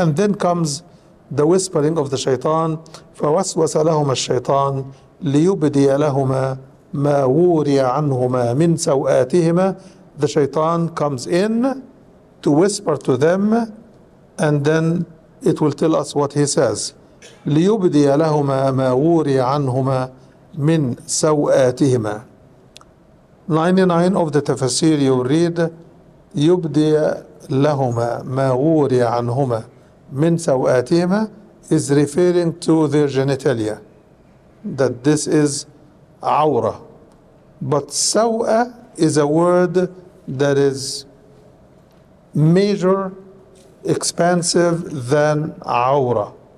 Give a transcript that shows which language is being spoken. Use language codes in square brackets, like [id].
[en] And then comes the whispering of the shaitan, [ar] فوسوس لهما الشيطان ليبدي لهما ما وري عنهما من سوآتهما. [en] The shaitan comes in to whisper to them, and then it will tell us what he says. [ar] ليبدي لهما ما وري عنهما من سوآتهما. [en] 99 of the tafsir you read, [ar] يبدي لهما ما وري عنهما من سوآتهما [en] is referring to their genitalia, that this is awra. But sawa is a word that is major, expansive than awra.